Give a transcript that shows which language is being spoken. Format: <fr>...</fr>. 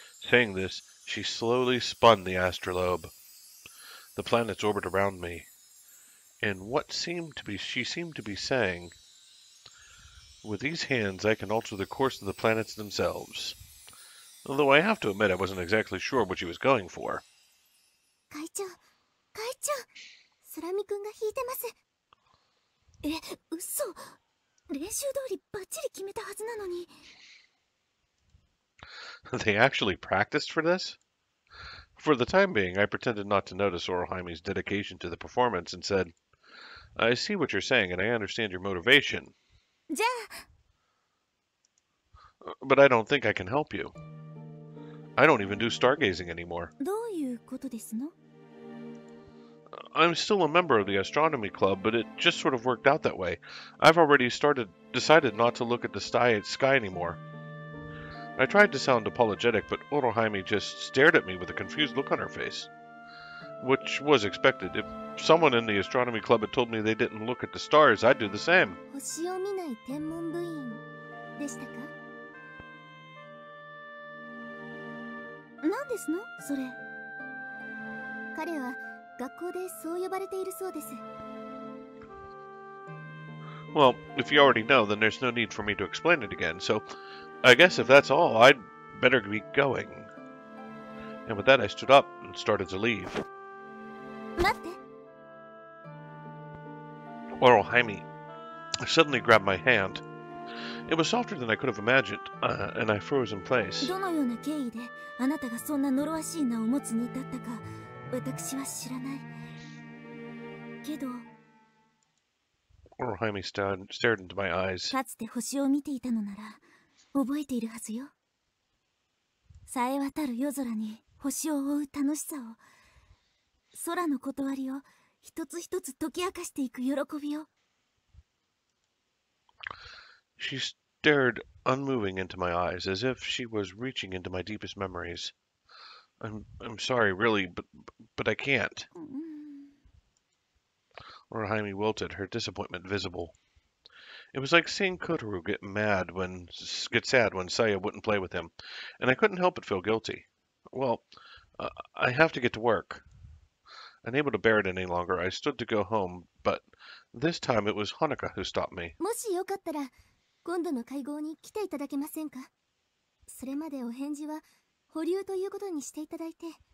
<en>Saying this, she slowly spun the astrolabe. The planets orbit around me. And what she seemed to be saying, with these hands I can alter the course of the planets themselves. Although I have to admit I wasn't exactly sure what she was going for.</en> <ja>会長、会長、スラミ君が引いてます。え、嘘。練習通りバッチリ決めたはずなのに。</ja> <en>They actually practiced for this? For the time being, I pretended not to notice Orihime's dedication to the performance and said, I see what you're saying and I understand your motivation.</en> <ja>じゃあ</ja> <en>But I don't think I can help you. I don't even do stargazing anymore.</en> <ja>どういうことですの?</ja> <en>I'm still a member of the astronomy club, but it just sort of worked out that way. I've already decided not to look at the sky anymore. I tried to sound apologetic, but Orihime just stared at me with a confused look on her face. Which was expected. If someone in the astronomy club had told me they didn't look at the stars, I'd do the same.</en> <ja>星を見ない天文部員でしたか? 何ですの?それ。彼は学校でそう呼ばれているそうです。</ja> <en>Well, if you already know, then there's no need for me to explain it again, so... I guess if that's all, I'd better be going. And with that, I stood up and started to leave.</en> <ja>待って。</ja> <en>Orihime suddenly grabbed my hand. It was softer than I could have imagined, and I froze in place.</en> <ja>どのような経緯であなたがそんな呪わしい名を持つに至ったか、私は知らない。けど。</ja> <en>Orohime stared into my eyes.</en> <ja>かつて星を見ていたのなら、覚えているはずよ。冴え渡る夜空に星を追う楽しさを、空の断りを一つ一つ解き明かしていく喜びを。</ja> <en>She stared unmoving into my eyes, as if she was reaching into my deepest memories. I'm sorry, really, but I can't. Orohime wilted, her disappointment visible. It was like seeing Kotaro get sad when Saya wouldn't play with him, and I couldn't help but feel guilty. Well, I have to get to work. Unable to bear it any longer, I stood to go home, but this time it was Hanaka who stopped me.</en> <ja>もしよかったら、今度の会合に来ていただけませんか？それまでお返事は保留ということにしていただいて。</ja>